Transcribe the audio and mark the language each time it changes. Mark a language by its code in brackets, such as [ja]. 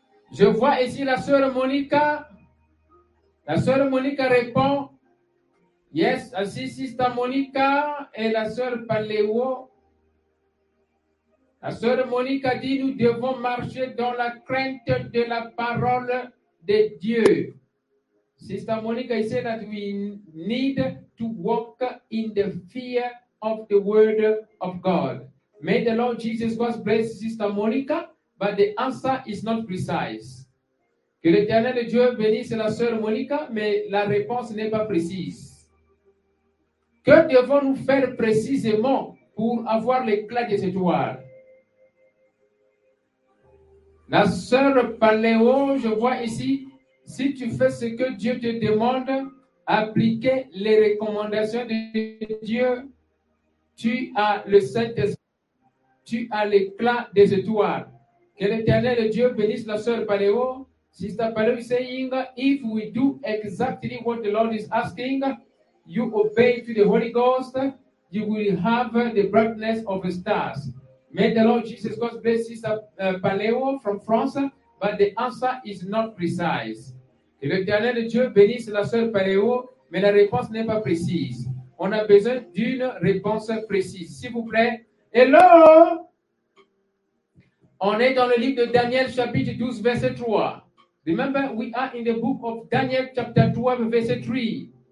[fr] Je vois ici la sœur Monica. La sœur Monica répond. Yes, assiste à Monica et la sœur Paléo. La sœur Monique a dit, nous devons marcher dans la crainte de la parole de Dieu. [en] Sister Monica, he said that we need to walk in the fear of the word of God. May the Lord Jesus Christ bless Sister Monica, but the answer is not precise. [fr] Que l'Éternel Dieu bénisse la sœur Monica, mais la réponse n'est pas précise. Que devons-nous faire précisément pour avoir l'éclat des étoiles? La sœur Paléo, je vois ici, si tu fais ce que Dieu te demande, appliquer les recommandations de Dieu, tu as le Saint-Esprit, tu as l'éclat des étoiles. Que l'Éternel Dieu bénisse la sœur Paléo. [en] Sister Paléo saying, if we do exactly what the Lord is asking, you obey to the Holy Ghost, you will have the brightness of the stars. May the Lord Jesus Christ bless Sister Paléo from France, but the answer is not precise. [fr] Que l'Éternel Dieu bénisse la sœur Paléo, mais la réponse n'est pas précise. On a besoin d'une réponse précise, s'il vous plaît. Hello! On est dans le livre de Daniel, chapitre 12, verset 3. [en] Remember, we are in the book of Daniel, chapter 12, verset 3.